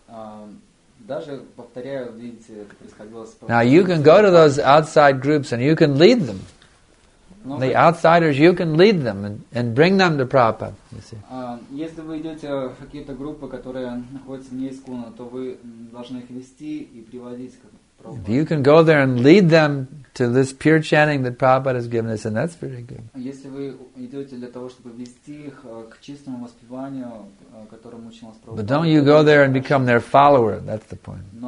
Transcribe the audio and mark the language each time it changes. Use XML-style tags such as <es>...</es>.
<en>Now you can go to those outside groups and you can lead them. The outsiders, you can lead them and bring them to Prabhupada, you see.</en> <ru>Если вы идете в какие-то группы, которые находятся вне ИСККОНа, то вы должны их вести и приводить к Прабхупаде.</ru> <en>If you can go there and lead them to this pure chanting that Prabhupada has given us, and that's very good.</en> <ru>Если вы идете для того, чтобы вести их к чистому воспеванию, которым учил нас Прабхупада.</ru> <en>But don't you go there and become their follower, that's the point.</en>